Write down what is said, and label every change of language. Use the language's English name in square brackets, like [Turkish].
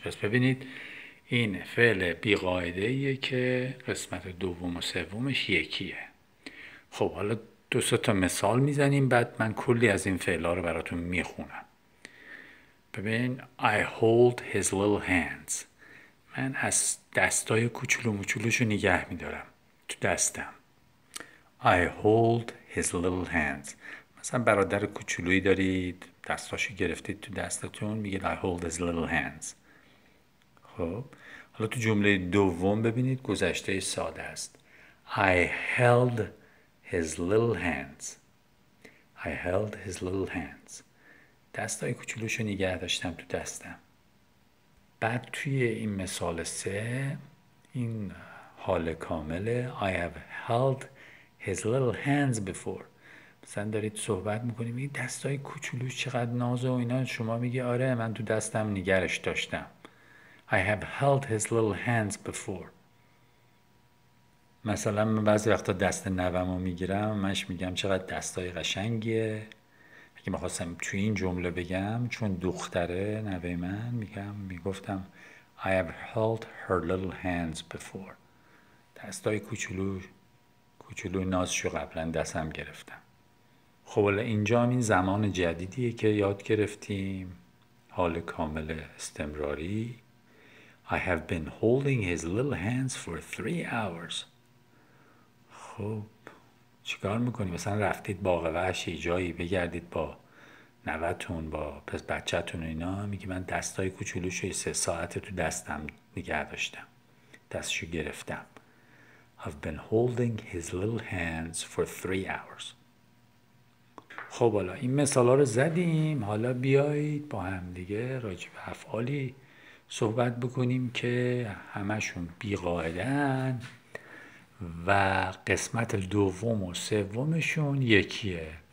[Persian] پس ببینید این فعل بی قاعده ایه که قسمت دوم و سومش یکیه. خب حالا دو سه تا مثال میزنیم، بعد من کلی از این فعلا رو براتون میخونم. ببین [English] I hold his little hands، [Persian] من از دستای کوچولو موچولوشو نگه میدارم تو دستم. [English] I hold his little hands، [Persian] مثلا برادر کوچولویی دارید دستاشو گرفتید تو دستتون، میگه I hold his little hands. خب حالا تو جمله دوم ببینید گذشته ساده است. [English] I held his little hands. I held his little hands. [Persian] دستای کوچولوشو نگه داشتم تو دستم. بعد توی این مثال سه این حال کامله. [English] I have held his little hands before. [Persian] مثلا دارید صحبت میکنید میگید دستای کوچولوش چقدر نازه و اینا، شما میگی آره من تو دستم نگرش داشتم. [English] I have held his little hands before. [Persian] مثلا من بعضی وقتا دست نوامو میگیرم، منش میگم چقدر دستای قشنگیه. اگه میخواستم تو این جمله بگم چون دختره نوه من، میگم میگفتم [English] I have held her little hands before. [Persian] دستای کوچولو نازشو قبلا دستم گرفتم. خب ولی اینجا هم این زمان جدیدیه که یاد گرفتیم، حال کامل استمراری. [English] I have been holding his little hands for 3 hours. [Persian] خب چیکار میکنی؟ مثلا رفتید باغ وحش جایی بگردید با نوتون با پس بچه‌تون اینا، میگی من دستای کوچولوشو 3 ساعت تو دستم نگه داشتم، دستشو گرفتم. [English] I've been holding his little hands for 3 hours. [Persian] خب حالا این مثالا رو زدیم، حالا بیایید با هم دیگه راجع به افعالی صحبت بکنیم که همشون بی قاعده ان و قسمت دوم و سومشون یکیه.